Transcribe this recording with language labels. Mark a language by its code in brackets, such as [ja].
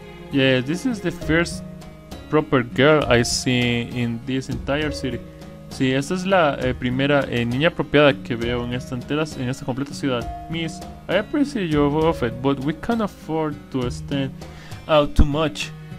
[en] Yeah, this is the first proper girl I see in this entire city. [es] Sí, esta es la primera niña apropiada que veo en esta completa ciudad. [en] Miss, I appreciate your offer, but we can't afford to stand out too much.